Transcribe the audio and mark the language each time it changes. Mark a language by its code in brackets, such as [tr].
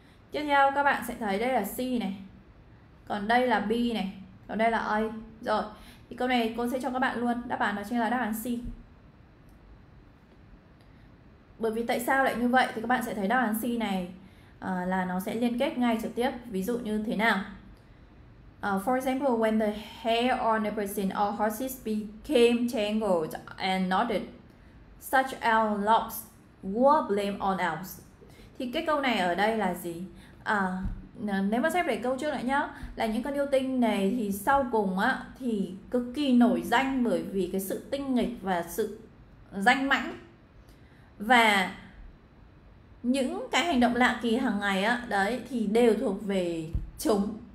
[vi] Tiếp theo các bạn sẽ thấy đây là C này. Còn đây là B này. Còn đây là A. Rồi, thì câu này cô sẽ cho các bạn luôn. Đáp án đó chính là đáp án C. Bởi vì tại sao lại như vậy? Thì các bạn sẽ thấy đáp án C này là nó sẽ liên kết ngay trực tiếp. Ví dụ như thế nào? [en] For example, when the hair on a person or horses became tangled and knotted, such elf locks were blamed on elves. [vi] Thì cái câu này ở đây là gì? Nếu mà xếp lại câu trước lại nhá, là những con yêu tinh này thì sau cùng á thì cực kỳ nổi danh bởi vì cái sự tinh nghịch và sự danh mãnh, và những cái hành động lạ kỳ hàng ngày á đấy thì đều thuộc về chúng.